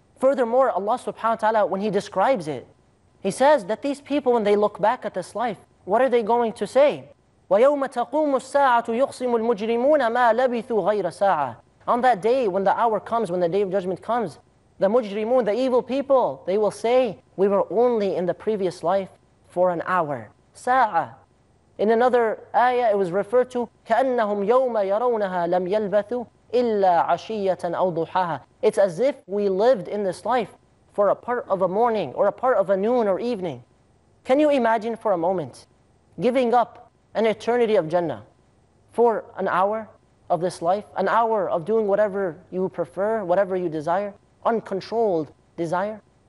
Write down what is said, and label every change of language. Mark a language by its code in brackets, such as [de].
[en] Furthermore, Allah subhanahu wa ta'ala, when He describes it, He says that these people, when they look back at this life, what are they going to say? [ar] وَيَوْمَ تَقُومُ السَّاعَةُ يُخْصِمُ الْمُجْرِمُونَ مَا لَبِثُوا غَيْرَ سَاعَةً. [en] On that day, when the hour comes, when the Day of Judgment comes, the mujrimun, the evil people, they will say, we were only in the previous life for an hour. [ar] سَاعَة. [en] In another ayah, it was referred to, [ar] كَأَنَّهُمْ يَوْمَ يَرَوْنَهَا لَمْ يَلْبَثُوا إِلَّا عَشِيَّةً أَوْ ضُحَاهَا. [en] It's as if we lived in this life for a part of a morning, or a part of a noon or evening. Can you imagine for a moment giving up an eternity of Jannah for an hour of this life, an hour of doing whatever you prefer, whatever you desire, uncontrolled desire?